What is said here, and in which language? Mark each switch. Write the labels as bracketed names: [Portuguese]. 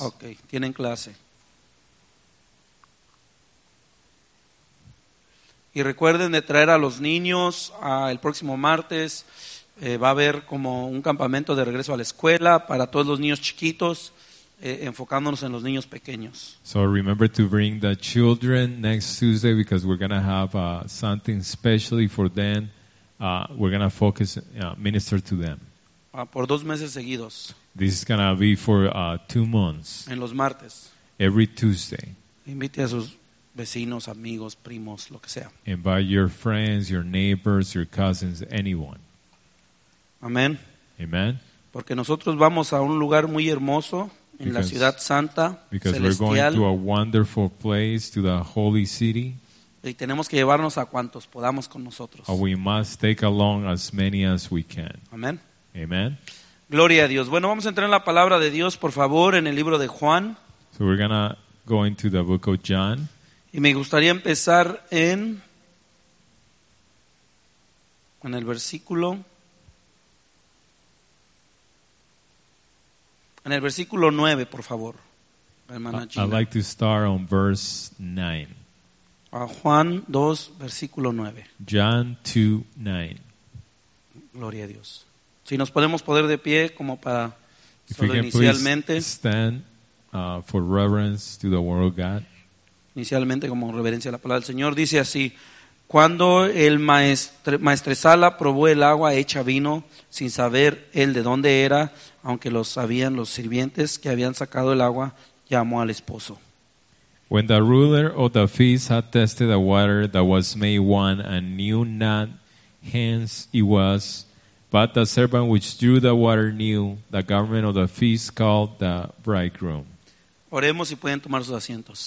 [Spanish] Okay, tienen clase. Y recuerden de traer a los niños el próximo martes. Va a haber como un campamento de regreso a la escuela para todos los niños chiquitos. Enfocándonos en los niños pequeños. [English] So remember to bring the children next Tuesday because we're gonna have something specially for them. We're gonna focus minister to them. [Spanish] Por 2 meses seguidos. [English] This is gonna be for 2 months. [Spanish] En los martes. [English] Every Tuesday. [Spanish] Invite a sus vecinos, amigos, primos, lo que sea. [English] Invite your friends, your neighbors, your cousins, anyone. Amen. Amen. [Spanish] Porque nosotros vamos a un lugar muy hermoso. En la ciudad santa, [English] because [Spanish] celestial, [English] we're going to a wonderful place, to the holy city. [Spanish] Y tenemos que llevarnos a cuantos podamos con nosotros. [English] We must take along as many as we can. Amen. Amen. [Spanish] Gloria a Dios. Bueno, vamos a entrar en la palabra de Dios, por favor, en el libro de Juan. [English] So we're gonna go into the book of John. [Spanish] Y me gustaría empezar en el versículo. En el versículo 9, por favor. Hermana Gina. [English] I'd like to start on verse 9. [Spanish] Juan 2, versículo 9. [English] John 2:9. [Spanish] Gloria a Dios. Si nos podemos poner de pie como para solo inicialmente. [English] Stand for reverence to the word of God. [Spanish] Inicialmente como reverencia a la palabra del Señor, dice así: cuando el maestresala probó el agua hecha vino, sin saber él de dónde era, aunque lo sabían los sirvientes que habían sacado el agua, llamó al esposo. [English] When the ruler of the feast had tested the water that was made wine and knew not whence it was, but the servant which drew the water knew, the governor of the feast called the bridegroom. [Spanish] Oremos y pueden tomar sus asientos.